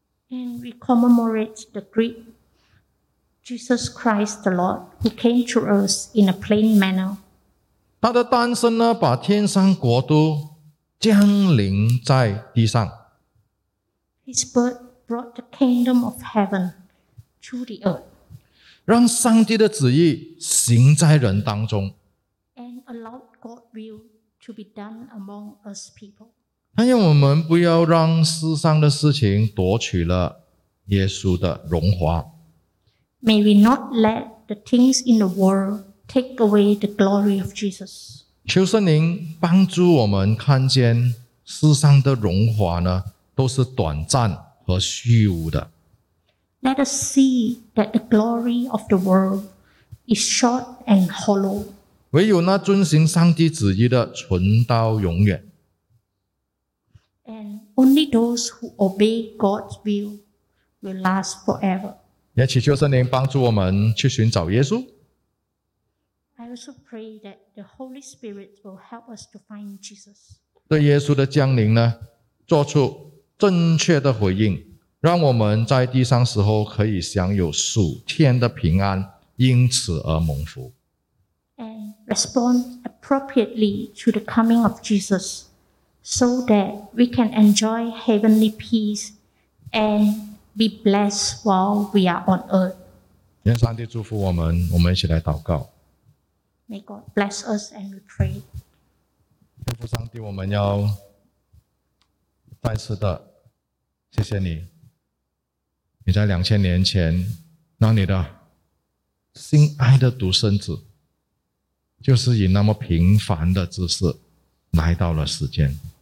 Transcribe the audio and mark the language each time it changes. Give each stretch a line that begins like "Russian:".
English: And we commemorate the great. Jesus Christ the Lord, who came to us in a plain manner.
Chinese: 他的诞生呢，把天上国都降临在地上。
English: His birth brought the kingdom of heaven to the earth.
Chinese: 让上帝的旨意行在人当中。
English: And allowed God's will to be done among us people.
Chinese: 他让我们不要让世上的事情夺取了耶稣的荣华。
English: May we not let the things in the world take away the glory of Jesus.
Chinese: 求圣灵帮助我们看见世上的荣华呢，都是短暂和虚无的。
English: Let us see that the glory of the world is short and hollow.
Chinese: 唯有那遵行上帝旨意的存到永远。
English: And only those who obey God's will will last forever.
Chinese: 也祈求圣灵帮助我们去寻找耶稣。
English: I also pray that the Holy Spirit will help us to find Jesus.
Chinese: 对耶稣的降临呢，做出正确的回应，让我们在地上时候可以享有属天的平安，因此而蒙福。
English: And respond appropriately to the coming of Jesus, so that we can enjoy heavenly peace and. Be blessed while we are on earth.
Chinese: 愿上帝祝福我们，我们一起来祷告。
English: May God bless us and we pray.
Chinese: 天父上帝，我们要再次的谢谢你。你在2000年前，让你的心爱的独生子，就是以那么平凡的姿势来到了世间。